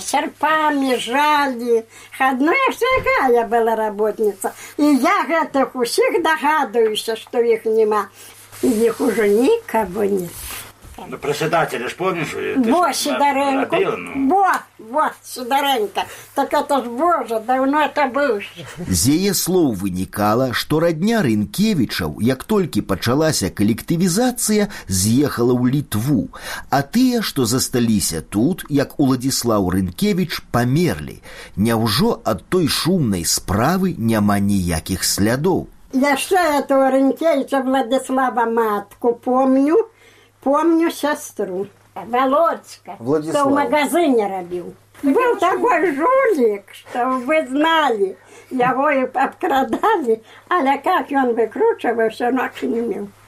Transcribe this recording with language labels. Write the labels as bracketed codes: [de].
[ru] Серпами жали. Ну, я всегда я была работница. И я этих всех догадуюсь, что их нема. И их уже никого нет. Ну, председателя ж помнишь? Во, Сидоренко. Сидоренко. Так это ж, Боже, давно это было. [be] З яе слоў вынікала, што родня Рынкевічаў, як толькі пачалася калектывізацыя, з'ехала ў Літву. А тыя, што засталіся тут, як Уладзіслаў Рынкевіч, памерлі. Няўжо ад той шумнай справы няма ніякіх слядоў? [ru] Я ще этого Рынкевіча Владислава матку помню. Помню сестру, Володька, Владислав, что в магазине робил. Был такой жулик, что вы знали, его и обкрадали, але как он выкручивался, ног не имел.